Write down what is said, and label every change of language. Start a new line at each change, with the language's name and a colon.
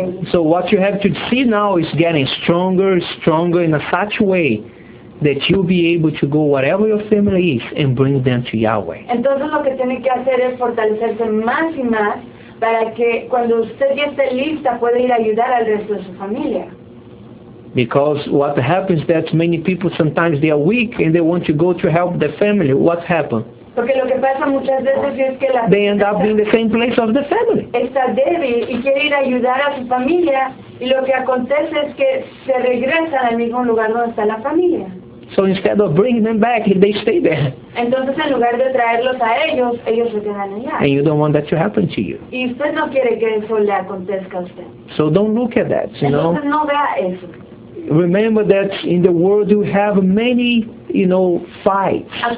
English: So what you have to see now is getting stronger, stronger in a such way that you'll be able to go wherever your family is and bring them to Yahweh.
Spanish: Entonces lo que tiene que hacer es fortalecerse más y más para que cuando usted ya esté lista pueda ir a ayudar al resto de su familia.
English: Because what happens is that many people sometimes they are weak and they want to go to help their family. What happened?
Spanish: Porque lo que pasa muchas veces es que la
English: they end up in the same place of the family.
Spanish: Está débil y quiere ir a ayudar a su familia y lo que acontece es que se regresa al mismo lugar donde está la familia.
English: So instead of bringing them back, they stay there.
Spanish: Entonces en lugar de traerlos a ellos, ellos se quedan allá.
English: And you don't want that to happen to you.
Spanish: Y usted no quiere que eso le acontezca a usted.
English: So don't look at that, you know.
Spanish: Entonces no vea eso.
English: Remember that in the world you have many, you know, fights.